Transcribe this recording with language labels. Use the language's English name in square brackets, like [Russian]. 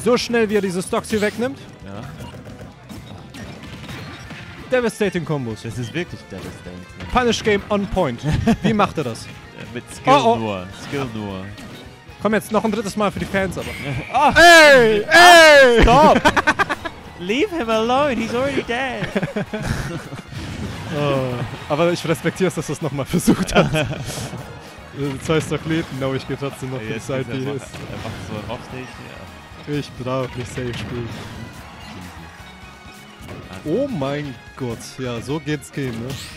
[German] So schnell, wie er diese Stocks hier wegnimmt. Ja. [English] Devastating Combos. [German] Das ist wirklich devastating. [English] Punish Game on point. [German] Wie macht er das? Mit Skill nur. Skill nur. Komm jetzt, noch ein drittes Mal für die Fans aber. Oh. Ey! Ey! Oh, [English] stop! Leave him alone, he's already dead. Oh. [German] Aber ich respektiere es, dass du es nochmal versucht hast. Das heißt doch lieb, no, ich geh trotzdem noch die Side, die ist. Einfach so ein Offstage, ja. Ich brauch nicht safe spielen. Oh mein Gott, ja, so geht's gehen, ne?